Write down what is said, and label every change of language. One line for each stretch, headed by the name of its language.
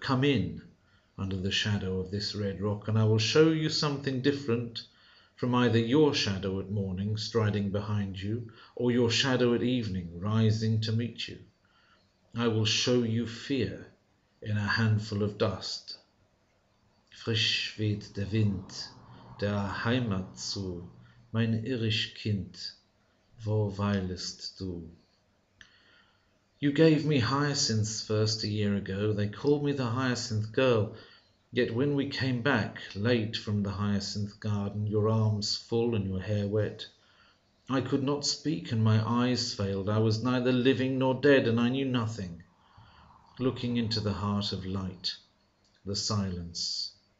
English: Come in under the shadow of this red rock, and I will show you something different from either your shadow at morning striding behind you, or your shadow at evening rising to meet you. I will show you fear in a handful of dust.
German: Frisch weht der Wind der Heimat zu, mein irisch Kind, wo weilest du?
English: You gave me hyacinths first a year ago. They called me the hyacinth girl. Yet when we came back late from the hyacinth garden, your arms full and your hair wet, I could not speak and my eyes failed. I was neither living nor dead and I knew nothing. Looking into the heart of light, the silence.